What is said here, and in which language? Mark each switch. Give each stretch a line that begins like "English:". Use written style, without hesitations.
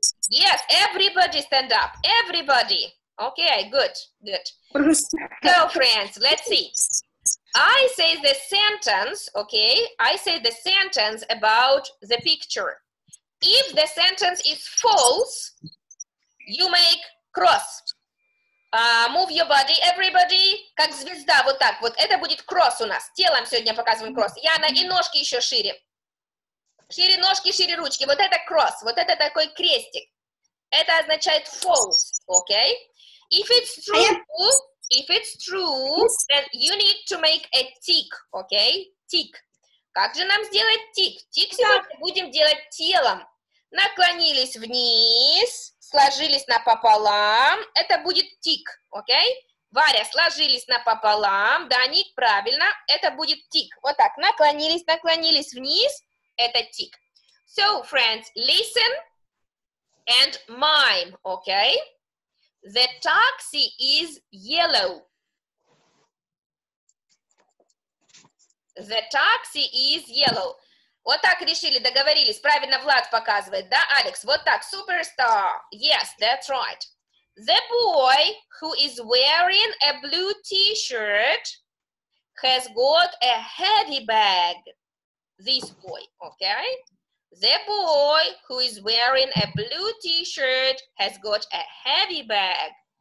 English: Yes, everybody stand up. Everybody. Okay, good, good. So, friends, let's see. I say the sentence, okay? I say the sentence about the picture. If the sentence is false, you make cross. Move your body, everybody.
Russian: Как звезда, вот так. Вот это будет кросс у нас. Телом сегодня показываем кросс. Яна, и ножки еще шире. Шире ножки, шире ручки. Вот это кросс. Вот это такой крестик. Это означает false, okay?
English: If it's true, if it's true, then you need to make a tick, okay?
Russian: Tick. Как же нам сделать тик? Тик сегодня будем делать телом. Наклонились вниз, сложились напополам. Это будет тик, окей? Варя, сложились напополам. Да, Ник, правильно. Это будет тик. Вот так, наклонились, наклонились вниз. Это тик.
English: So, friends, listen and mime, окей? The taxi is yellow. The taxi is yellow.
Russian: Вот так решили, договорились. Правильно Влад показывает, да, Алекс? Вот так,
English: superstar. Yes, that's right. The boy who is wearing a blue t-shirt has got a heavy bag. This boy, okay? The boy who is wearing a blue t-shirt has got a heavy bag.